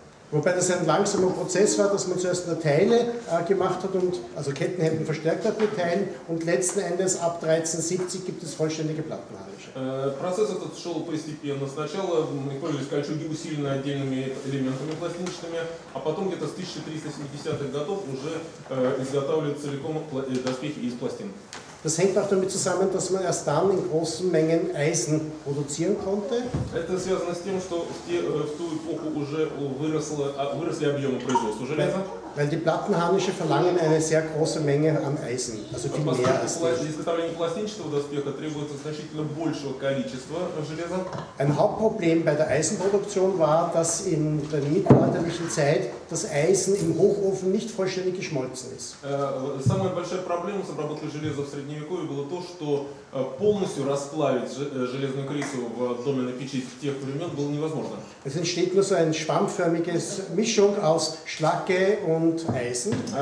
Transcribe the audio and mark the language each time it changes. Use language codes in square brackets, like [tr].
[de] Wobei das ein langsamer Prozess war, dass man zuerst nur Teile gemacht hat, und also Kettenhemden verstärkt hat mit Teilen, und letzten Endes ab 1370 gibt es vollständige Plattenharnische. [ru] Prozess этот шел постепенно. Сначала использовались кольчуги, усиленные отдельными элементами пластинчатыми, а потом где-то с 1370-х годов уже изготавливают целиком доспехи из пластин. [de] Das hängt auch damit zusammen, dass man erst dann in großen Mengen Eisen produzieren konnte. [ru] Это связано с тем, что в ту эпоху уже выросли объемы производства железа. [de] Weil die Plattenharnische verlangen eine sehr große Menge an Eisen, also viel mehr als die. Ein Hauptproblem bei der Eisenproduktion war, dass in der mittelalterlichen Zeit das Eisen im Hochofen nicht vollständig geschmolzen ist. [ru] Самая большая проблема с обработкой железа в средневековье было то, что полностью расплавить железную крысу в доме на печи в тех времен было невозможно. [de] Es entsteht nur so eine schwammförmige Mischung aus Schlacke und Eisen.